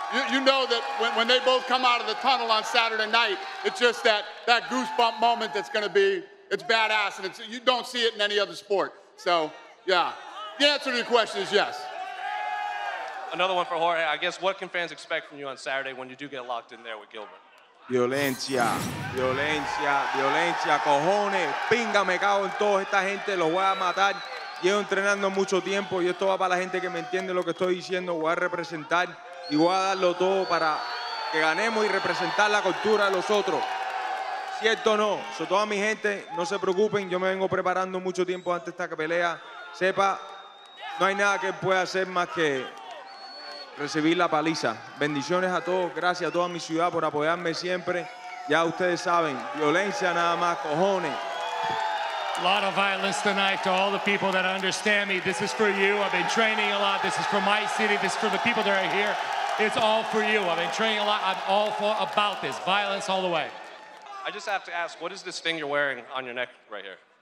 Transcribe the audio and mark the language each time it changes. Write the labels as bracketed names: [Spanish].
[English] You know that when they both come out of the tunnel on Saturday night, it's just that goosebump moment that's going to be, it's badass, and you don't see it in any other sport. So, yeah, the answer to your question is yes. Another one for Jorge. I guess what can fans expect from you on Saturday when you do get locked in there with Gilbert? [Spanish] Violencia, violencia, violencia, cojones, pinga, me cago en toda esta gente, los voy a matar. Llevo entrenando mucho tiempo y esto va para la gente que me entiende lo que estoy diciendo, voy a representar. Y voy a darlo todo para que ganemos y representar la cultura de los otros. ¿Cierto o no? So, toda mi gente, no se preocupen. Yo me vengo preparando mucho tiempo antes de esta pelea. Sepa, no hay nada que pueda hacer más que recibir la paliza. Bendiciones a todos. Gracias a toda mi ciudad por apoyarme siempre. Ya ustedes saben, violencia nada más, cojones. [English] A lot of violence tonight to all the people that understand me. This is for you. I've been training a lot. This is for my city. This is for the people that are here. It's all for you. I've been training a lot. I'm all for about this. Violence all the way. I just have to ask, what is this thing you're wearing on your neck right here?